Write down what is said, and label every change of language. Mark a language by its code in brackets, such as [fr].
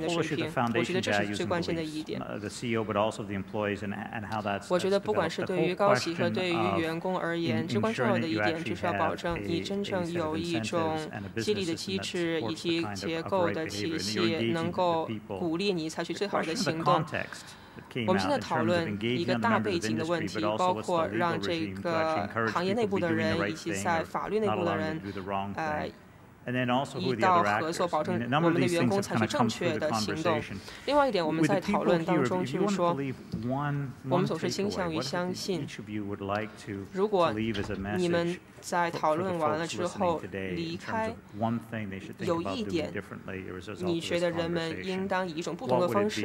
[en] The whole issue of the foundation values and beliefs, the CEO, but also the employees, and how that's developed. The whole question of ensuring that you actually have a sense of incentives and a business system that supports that kind of behavior, and you're engaging the people. [zh] 我们现在讨论一个大背景的问题， 包括让这个行业内部的人以及在法律内部的人， [en] And then also who the other actors. A number of these things have kind of come through the conversation. With the people here, if you want to believe one takeaway, what do you think each of you would like to leave as a message for the folks listening today in terms of one thing they should think about doing differently as a result of this conversation? What would it be?